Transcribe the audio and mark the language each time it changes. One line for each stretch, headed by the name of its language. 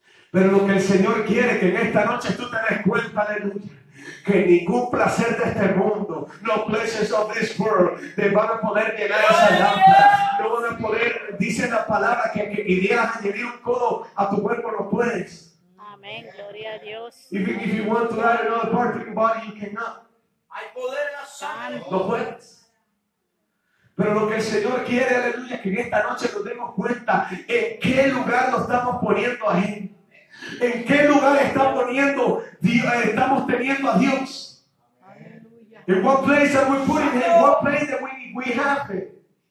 Spanish: Pero lo que el Señor quiere que en esta noche tú te des cuenta, aleluya, que ningún placer de este mundo,
English: no pleasures of this world,
Spanish: te van a poder llenar esa lámpara. No van a poder, dice la palabra, que irías a añadir un codo a tu cuerpo, no puedes. Amén, gloria a Dios.
English: If you want to add another part to your body, you cannot.
Spanish: Hay poder en la sangre. No puedes. Pero lo que el Señor quiere, aleluya, que en esta noche nos demos cuenta en qué lugar lo estamos poniendo ahí. ¿En qué lugar estamos teniendo a Dios? ¿En qué
English: place are we putting him? ¿En qué place that we have him?